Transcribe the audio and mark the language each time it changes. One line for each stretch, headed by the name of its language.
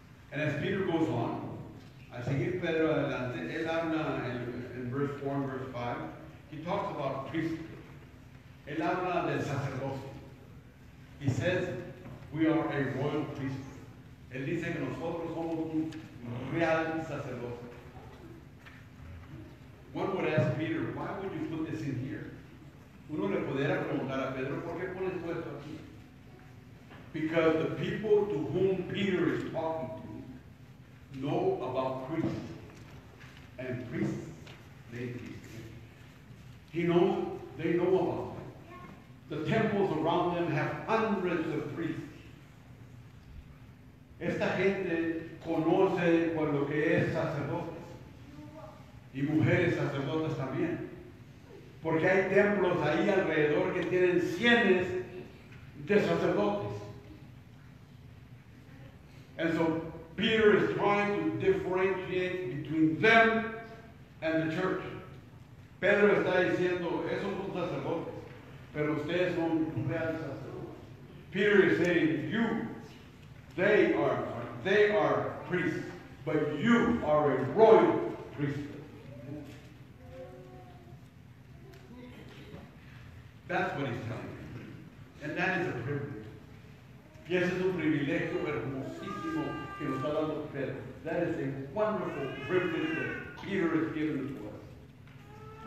English: And as Peter goes on,
Spanish: al seguir Pedro adelante, él habla
English: in verse 4 and verse 5, he talks about priesthood.
Spanish: Él habla del sacerdocio.
English: He says, we are a royal priesthood.
Spanish: Él dice que nosotros somos un real sacerdote.
English: One would ask Peter, why would you put this in here?
Spanish: Uno le pudiera preguntar a Pedro, ¿por qué pones todo esto aquí?
English: Because the people to whom Peter is talking to know about priests. And priests, they know about them. The temples around them have hundreds of priests.
Spanish: Esta gente conoce por lo que es sacerdotes y mujeres sacerdotes también, porque hay templos ahí alrededor que tienen cientos de sacerdotes.
English: And so Peter is trying to differentiate between them and the church.
Spanish: Pedro está diciendo, esos son sacerdotes, pero ustedes son reales sacerdotes.
English: Peter is saying, you. They are priests, but you are a royal priesthood. That's what he's telling me. And that is a privilege.
Spanish: Y ese es un privilegio hermosísimo que nos está dando Pedro.
English: That is a wonderful privilege that Peter has given to us.